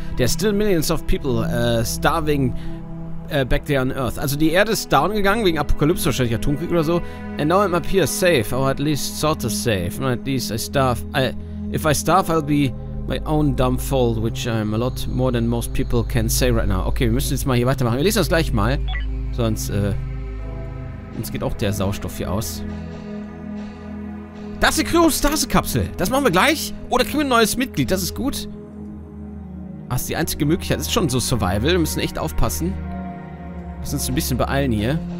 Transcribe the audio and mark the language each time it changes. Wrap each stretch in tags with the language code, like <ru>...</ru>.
<en>There are still millions of people starving back there on Earth.</en> <de>Also die Erde ist down gegangen, wegen Apokalypse, wahrscheinlich Atomkrieg oder so.</de> <en>And now I'm up here safe, or at least sort of safe. Or at least I starve. If I starve, I'll be my own dumb fault, which I'm a lot more than most people can say right now.</en> <de>Okay, wir müssen jetzt mal hier weitermachen. Wir lesen das gleich mal. Sonst, uns geht auch der Sauerstoff hier aus. Das ist die Kryostase-Kapsel. Das machen wir gleich. Oder kriegen wir ein neues Mitglied. Das ist gut. Ach, ist die einzige Möglichkeit. Das ist schon so Survival. Wir müssen echt aufpassen. Wir müssen uns ein bisschen beeilen hier.</de>